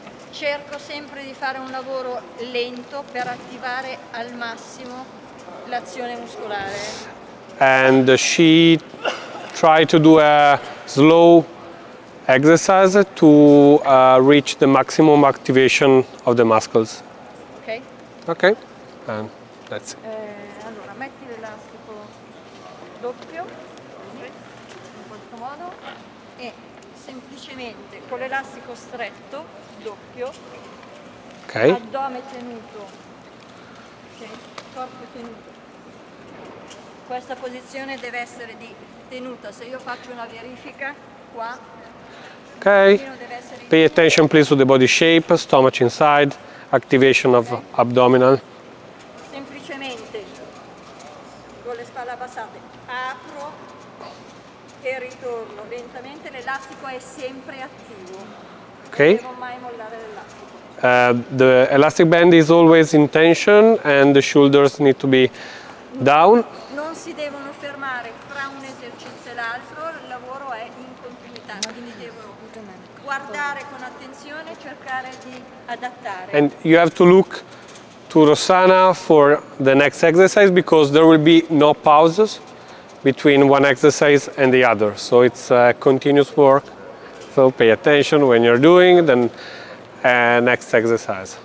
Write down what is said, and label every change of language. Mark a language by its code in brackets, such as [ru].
[it] Cerco sempre di fare un lavoro lento per attivare al massimo l'azione muscolare. [en] And she tried to do a slow exercise to reach the maximum activation of the muscles. Okay. Okay. And that's it. [it] Allora, metti l'elastico doppio in questo modo e semplicemente con l'elastico stretto doppio. [en] Okay. [it] Addome tenuto. Okay. Corpo tenuto. Questa posizione deve essere di tenuta. Se io faccio una verifica qua. [en] Okay, pay attention please to the body shape, stomach inside, activation of abdominal. [it] Semplicemente, con le spalle abbassate, apro e ritorno lentamente, l'elastico è sempre attivo. [en] Okay. [it] Non devo mai mollare l'elastico. [en] The elastic band is always in tension and the shoulders need to be down. [it] Non si devono fermare fra un esercizio e l'altro, il lavoro è in continuità, quindi devo guardare con attenzione, cercare di adattare. [en] And you have to look to Rossana for the next exercise because there will be no pauses between one exercise and the other. So it's a continuous work. So pay attention when you're doing the next exercise.